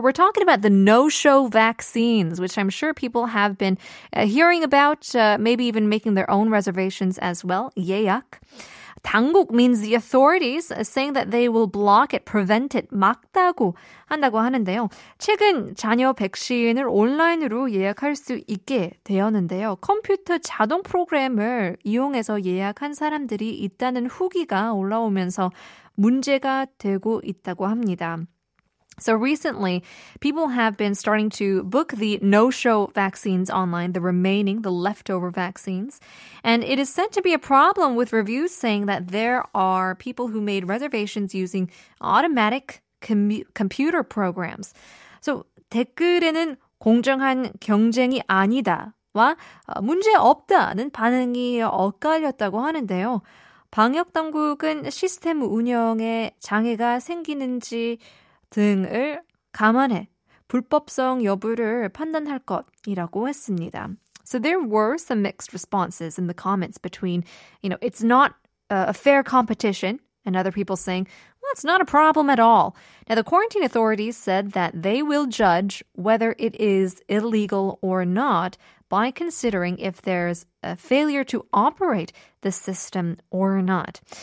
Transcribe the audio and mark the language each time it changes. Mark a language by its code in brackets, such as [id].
[en] We're talking about the no-show vaccines, which I'm sure people have been hearing about, maybe even making their own reservations as well. [ko] 예약. [en] 당국 means the authorities, saying that they will block it, prevent it, [ko] 막다고 한다고 하는데요. 최근 자녀 백신을 온라인으로 예약할 수 있게 되었는데요. 컴퓨터 자동 프로그램을 이용해서 예약한 사람들이 있다는 후기가 올라오면서 문제가 되고 있다고 합니다. [en] So recently, people have been starting to book the no-show vaccines online, the remaining, the leftover vaccines. And it is said to be a problem with reviews saying that there are people who made reservations using automatic computer programs. [ko] So 댓글에는 공정한 경쟁이 아니다와 문제 없다는 반응이 엇갈렸다고 하는데요. 방역 당국은 시스템 운영에 장애가 생기는지 등을 감안해 불법성 여부를 판단할 것이라고 했습니다. [en] So there were some mixed responses in the comments between, you know, it's not a fair competition and other people saying, well, it's not a problem at all. Now, the quarantine authorities said that they will judge whether it is illegal or not by considering if there's a failure to operate the system or not.